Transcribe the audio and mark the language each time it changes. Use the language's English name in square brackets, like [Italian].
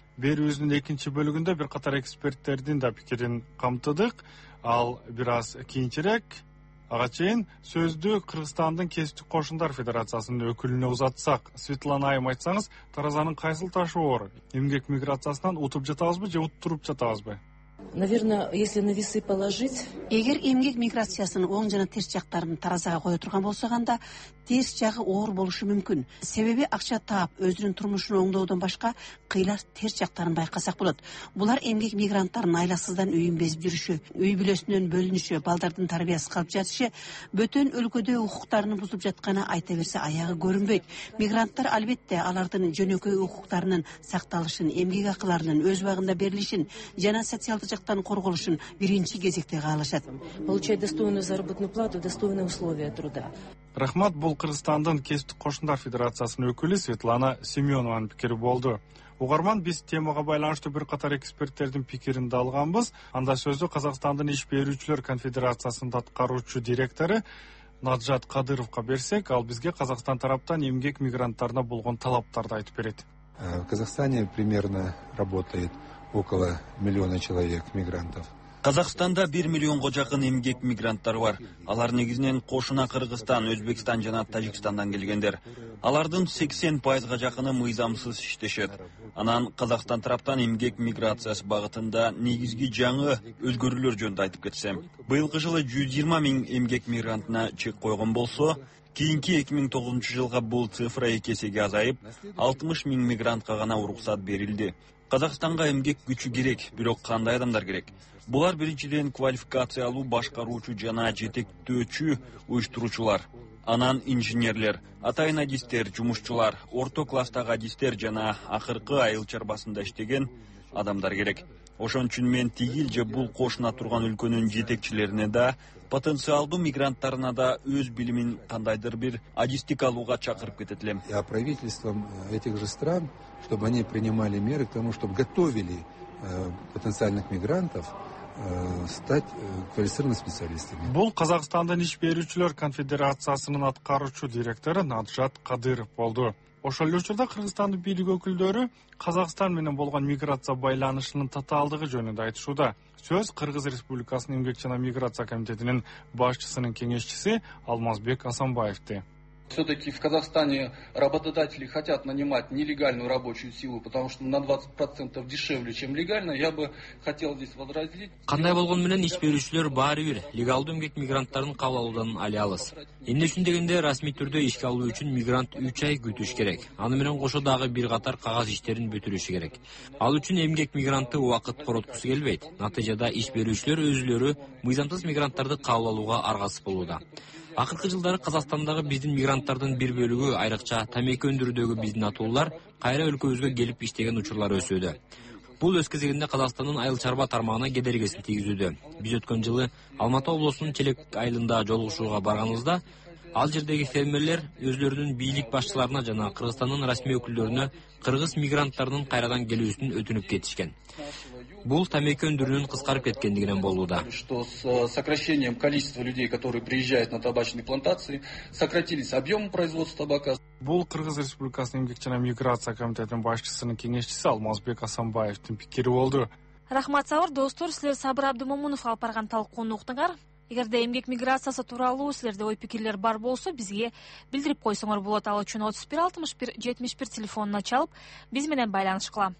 [Kyrgyz] Берүүбүздүн экинчи бөлүгүндө бир катар эксперттердин да пикирин камтыдык. Ал бир аз кийинчерээк. Ага чейин сөздү Кыргызстандын кесиптик кошундар федерациясынын өкүлүнө узатсак, Светлана айым, айтсаңыз, таразанын кайсыл ташы оор? Эмгек миграциясынан утуп жатабызбы же уттуруп жатабызбы? [Russian] Наверное, если на весы положить. [Kyrgyz] Эгер эмгек миграциясынын оң жана терс жактарын таразага кое турган болсок, анда терс жагы оор болушу мүмкүн. Себеби акча таап, өзүнүн турмушун оңдоодон башка кыйлар терс жактарын байкасак болот. Булар эмгек мигранттарынын айласыздан үйүн безип жүрүшү, үй бүлөсүнөн бөлүнүшү, балдардын тарбиясы калып жатышы, бөтөн өлкөдө укуктарын бузуп жатканы айта берсе аягы көрүнбөйт. Мигранттар албетте алардын жөнөкөй укуктарынын сакталышын, эмгек акыларынын өз убагында берилишин жана социалдык жактан корголушун биринчи кезекте каалашат. [Russian] Получать достойную заработную плату, достойные условия труда. [Kyrgyz] Рахмат, бул Кыргызстандын кесиптик кошундар федерациясынын өкүлү Светлана Семёнованын пикири болду. Угарман, биз темага байланыштуу бир катар эксперттердин пикирин да алганбыз. Анда сөздү Казакстандын иш берүүчүлөр конфедерациясынын аткаруучу директору Наджат Кадыровко берсек, ал бизге Казакстан тараптан эмгек мигранттарына болгон талаптарды айтып берет. [Russian] В Казахстане примерно работает около 1 миллиона человек мигрантов. [Kyrgyz] Казакстанда 1 миллионго жакын эмгек мигранттар бар. Алар негизинен кошуна Кыргызстан, Өзбекстан жана Тажикстандан келгендер. Алардын 80% жакыны мыйзамсыз иштешет. Анан Казакстан тараптан эмгек миграциясы багытында негизги жаңы өзгөрүүлөр жөнүндө айтып кетсем. Быйылкы жылы 120 миң эмгек мигрантына чек койгон болсо, кийинки 2009 жылга бул цифра 2 эсеге азайып, 60 миң мигрантка гана уруксат берилди. Казакстанга эмгек күчү керек, бирок кандай адамдар керек? Булар биринчиден квалификациялуу башкаруучу жана жетектөөчү уюштуруучулар. анан инженерлер, атайын адистер, жумушчулар, орто класстагы адистер жана акыркы айыл чарбасында иштеген адамдар керек. Ошон үчүн мен тигил же бул кошуна турган өлкөнүн жетекчилерине да, потенциалдуу мигранттарына да өз билимин кандайдыр бир адистик алууга чакырып кетет элем. [Russian] Я правительством этих же стран, чтобы они принимали меры к тому, чтобы готовили потенциальных мигрантов стать квалифицированными специалистами. [Kyrgyz] Бул Казакстандын иш берүүчүлөр конфедерациясынын аткаруучу директору Наджат Кадыров болду. Ошол эле учурда Кыргызстандын бийлик өкүлдөрү Казакстан менен болгон миграция байланышынын татаалдыгы жөнүндө айтышууда. Сөз Кыргыз Республикасынын эмгек жана миграция комитетинин башчысынын кеңешчиси Алмазбек Асанбаевди. [Russian] Все-таки в Казахстане работодатели хотят нанимать нелегальную рабочую силу, потому что на 20% дешевле, чем легально. Я бы хотел здесь возразить. [Kyrgyz] Кандай болгон менен иш берүүчүлөр баары бир легалдуу эмгек мигранттарын кабыл алуудан ала алыс. Эмне үчүн дегенде, расмий түрдө ишке алуу үчүн мигрант 3 ай күтүш керек. Аны менен кошо дагы бир катар кагаз иштерин бүтүрүшү керек. Ал үчүн эмгек мигранты убакыт короткусу келбейт. Натыйжада иш берүүчүлөр өзүлөрү мыйзамсыз мигранттарды кабыл алууга аргасыз болууда. Акыркы жылдары Казакстандагы биздин мигранттардын бир бөлүгү, айрыкча тамеки өндүрүүдөгү биздин атуулар кайра өлкөбүзгө келип иштеген учурлар өсүүдө. Бул өз кезегинде Казакстандын айыл чарба тармагына кедергисин тийгизүүдө. Биз өткөн жылы Алматы облусунун Челек айылында жолугушууга барганыбызда ал жердеги фермерлер өзлөрүнүн бийлик башчыларына жана Кыргызстандын расмий өкүлдөрүнө кыргыз мигранттарынын кайрадан келүүсүн өтүнүп кетишкен. Бул тамеки өндүрүүнүн кыскарып кеткендигинен болууда. [Russian] Что с сокращением количества людей, которые приезжают на табачные плантации, сократились объемы производства табака. [Kyrgyz] Бул Кыргыз Республикасынын эмгек жана миграция комитетинин башчысынын кеңешчиси Алмазбек Асанбаевдин пикири болду. Рахмат сабыр достор, силер Сабыр Абдымомунов алып барган талкууну уктуңар. Эгерде эмгек миграциясы тууралуу силерде ой пикирлер бар болсо, бизге билдирип койсоңор болот. Ал үчүн 31-61-71 телефонуна чалып, биз менен байланышкыла.